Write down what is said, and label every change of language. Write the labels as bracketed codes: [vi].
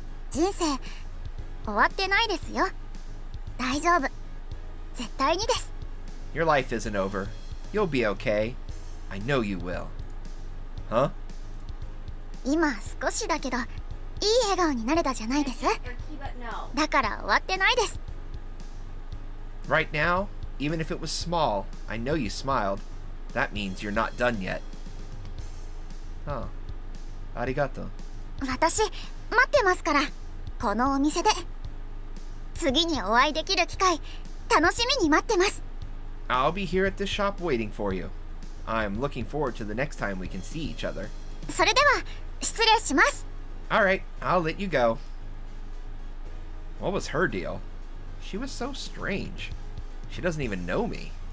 [ja] 人生終わってないですよ。大丈夫。絶対にです。 [en] Your life isn't over. You'll be okay. I know you will. Huh? [ja] 今少しだけど、いい笑顔になれたじゃないです。だから終わってないです。 [en] Right now, even if it was small, I know you smiled. That means you're not done yet. Huh. Arigato. [ja] 私、待ってますから、このお店で。次にお会いできる機会、楽しみに待ってます。 [en] I'll be here at the shop waiting for you. I'm looking forward to the next time we can see each other. [ja] それでは、失礼します。 [en] Alright, I'll let you go. What was her deal? She was so strange. She doesn't even know me.